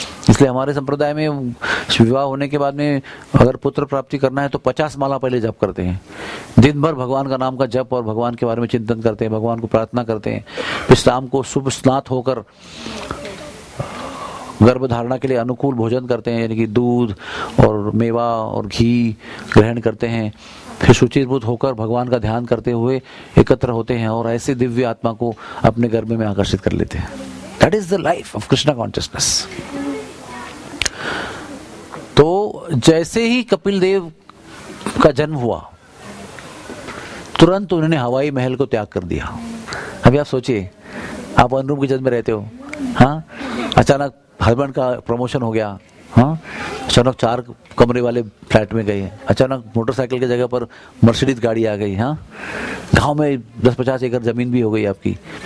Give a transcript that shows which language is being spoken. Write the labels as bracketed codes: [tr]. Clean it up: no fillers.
[hi] इसलिए हमारे संप्रदाय में विवाह होने के बाद में अगर पुत्र प्राप्ति करना है तो 50 माला पहले जप करते हैं, दिन भर भगवान का नाम का जप और भगवान के बारे में चिंतन करते हैं, भगवान को प्रार्थना करते हैं, फिर शाम को शुभ स्नात होकर गर्भधारणा के लिए अनुकूल भोजन करते हैं, यानी कि दूध और मेवा और घी ग्रहण करते हैं, फिर शुचिर्भूत होकर भगवान का ध्यान करते हुए एकत्र होते हैं और ऐसे दिव्य आत्मा को अपने गर्भ में आकर्षित कर लेते हैं। [en] That is the life of Krishna consciousness. [hi] तो जैसे ही कपिल देव का जन्म हुआ, तुरंत उन्होंने हवाई महल को त्याग कर दिया। अभी आप सोचिए, आप अनुरूप के जन्म में रहते हो, हाँ, अचानक हस्बैंड का प्रमोशन हो गया, हाँ, अचानक 4 कमरे वाले फ्लैट में गए, अचानक मोटरसाइकिल की जगह पर मर्सिडीज गाड़ी आ गई, हाँ, गांव में 10-50 एकड़ जमीन भी हो गई आपकी,